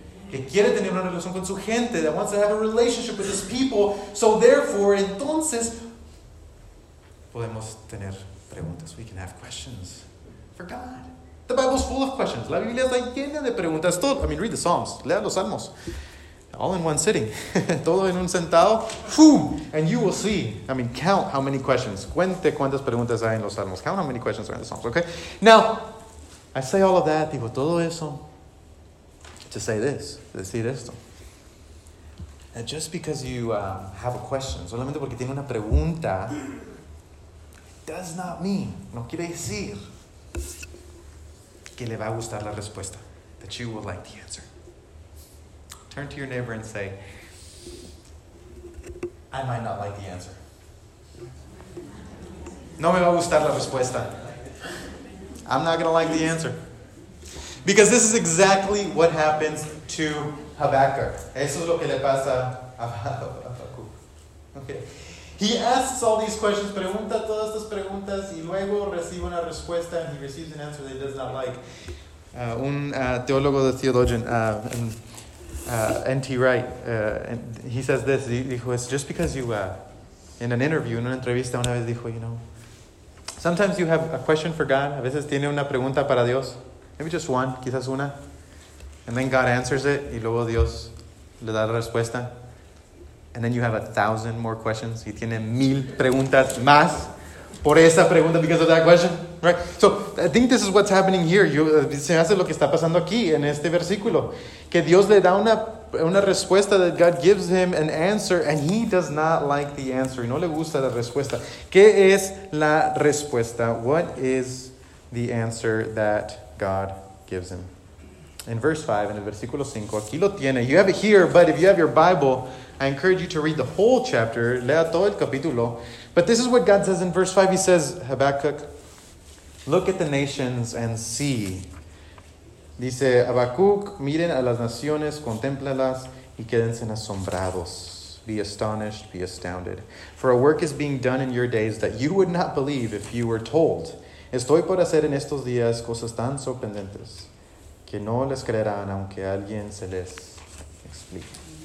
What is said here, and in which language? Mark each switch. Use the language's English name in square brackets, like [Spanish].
[Spanish] Que quiere tener una relación con su gente. [English] That wants to have a relationship with his people. So therefore, [Spanish] entonces, podemos tener preguntas. [English] We can have questions for God. The Bible's full of questions. [Spanish] La Biblia está llena de preguntas. [English] Read the Psalms. [Spanish] Lea los Salmos. [English] All in one sitting. [Spanish] Todo en un sentado. [English] Boom. And you will see. Count how many questions. [Spanish] Cuente cuántas preguntas hay en los Salmos. [English] Count how many questions are in the Psalms. Okay. Now, I say all of that. [Spanish] Digo todo eso. [English] To say this. [Spanish] Decir esto. [English] That just because you have a question. [Spanish] Solamente porque tiene una pregunta. [English] Does not mean. [Spanish] No quiere decir. Que le va a gustar la respuesta. [English] That you will like the answer. Turn to your neighbor and say, I might not like the answer. [Spanish] No me va a gustar la respuesta. [English] I'm not going to like the answer. Because this is exactly what happens to Habakkuk. [Spanish] Eso es lo que le pasa a Habakkuk. [English] Okay. He asks all these questions, [Spanish] pregunta todas estas preguntas, y luego recibe una respuesta, [English] and he receives an answer that he does not like. [Spanish] Un teólogo, [English] the theologian, N.T. Wright, and he says this, dijo, it's just because you, in an interview, [Spanish] en una entrevista, una vez dijo, [English] you know, sometimes you have a question for God, [Spanish] a veces tiene una pregunta para Dios, [English] maybe just one, [Spanish] quizás una, [English] and then God answers it, [Spanish] y luego Dios le da la respuesta, [English] and then you have 1,000 more questions, [Spanish] y tiene 1,000 preguntas más por esa pregunta, [English] because of that question, right? So, I think this is what's happening here. [Spanish] Se hace lo que está pasando aquí, en este versículo. Que Dios le da una respuesta, [English] that God gives him an answer, and he does not like the answer. [Spanish] Y no le gusta la respuesta. ¿Qué es la respuesta? [English] What is the answer that God gives him? In verse 5, [Spanish] en el versículo 5, aquí lo tiene. [English] You have it here, but if you have your Bible, I encourage you to read the whole chapter. [Spanish] Lea todo el capítulo. [English] But this is what God says in verse 5. He says, Habakkuk, look at the nations and see. [Spanish] Dice, Habakkuk, miren a las naciones, contémplalas y quédense asombrados. [English] Be astonished, be astounded. For a work is being done in your days that you would not believe if you were told. [Spanish] Estoy por hacer en estos días cosas tan sorprendentes que no les creerán aunque alguien se les explique.